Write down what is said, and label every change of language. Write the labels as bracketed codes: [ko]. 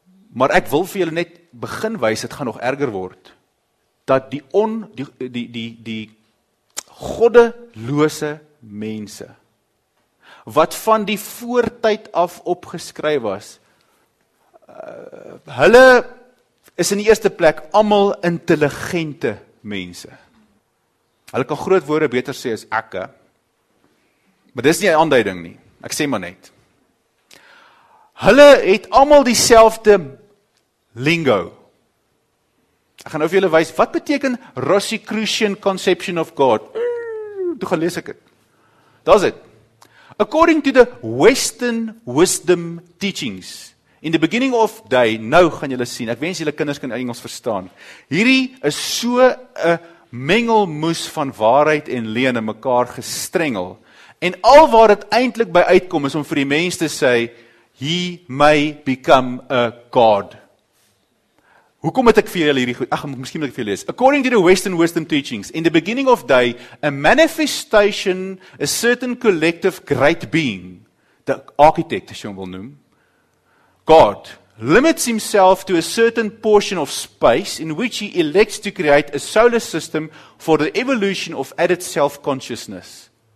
[af] Maar ek wil vir julle net begin wys, dit gaan nog erger word, dat die goddelose mense wat van die voortyd af opgeskryf was, hulle is in die eerste plek almal intelligente mense. Hulle kan groot woorde beter sê as ekke. Maar dis nie 'n aanduiding nie. Ek sê maar net. Hulle het almal dieselfde lingo. Ek gaan nou vir julle wys wat beteken [en] Rosicrucian conception of God. [af] Toe gaan lees ek dit. Daar's dit. [en] According to the Western wisdom teachings, in the beginning of day, [af] nou gaan julle sien. Ek wens julle kinders kan Engels verstaan. Hierdie is so 'n mengelmoes van waarheid en leuen in mekaar gestrengel. En al waar dit eintlik by uitkom is om vir die mense te sê [en] he may become a god. [af] Hoekom het ek vir julle hierdie goed? Ag, miskien moet ek vir julle lees. [en] According to the Western wisdom teachings, in the beginning of day, a manifestation, a certain collective great being, the architect, [af] as jy hom wil noem, [en] God, limits himself to a certain portion of space in which he elects to create a solar system for the evolution of added self-consciousness.